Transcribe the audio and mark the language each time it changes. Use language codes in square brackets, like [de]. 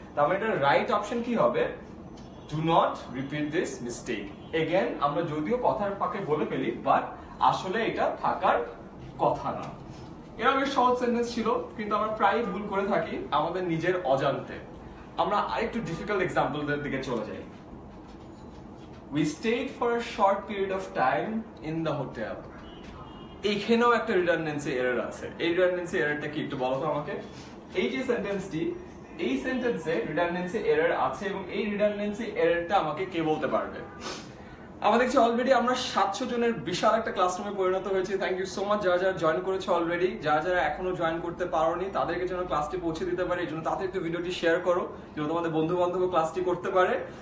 [bn] তার মানে এটার রাইট অপশন কি হবে, [en] do not repeat this mistake again, [bn] আমরা যদিও কথার ফাঁকে বলে ফেলি বাট আসলে এটা থাকার কথা না। এরা বেশ সহজ সেন্টেন্স ছিল, কিন্তু আমরা প্রায় ভুল করে থাকি আমাদের নিজের অজান্তে। আমরা আরেকটু ডিফিকাল্ট এক্সাম্পলের দিকে চলে যাই। [en] We stayed for a short period of time in the hotel. [bn] এখানেও একটা রিডান্ডেন্সি এরর আছে, এই রিডান্ডেন্সি এররটা কি একটু বলো তো আমাকে। এই যে সেন্টেন্সটি, এই সেন্টেন্সে রিডান্ডেন্সি এরর আছে, এবং এই রিডান্ডেন্সি এররটা আমাকে কে বলতে পারবে। আমাদের কাছে অলরেডি আমরা 700 জনের বিশাল একটা ক্লাসরুমে পরিণত হয়েছে, [en] thank you so much [bn] যারা যারা জয়েন করেছে অলরেডি, যারা যারা এখনো জয়েন করতে পারোনি তাদেরকে যেন ক্লাসটি পৌঁছে দিতে পারে, এই জন্য তাদের একটু ভিডিওটি শেয়ার করো যেন তোমাদের বন্ধু বান্ধব ক্লাসটি করতে পারে।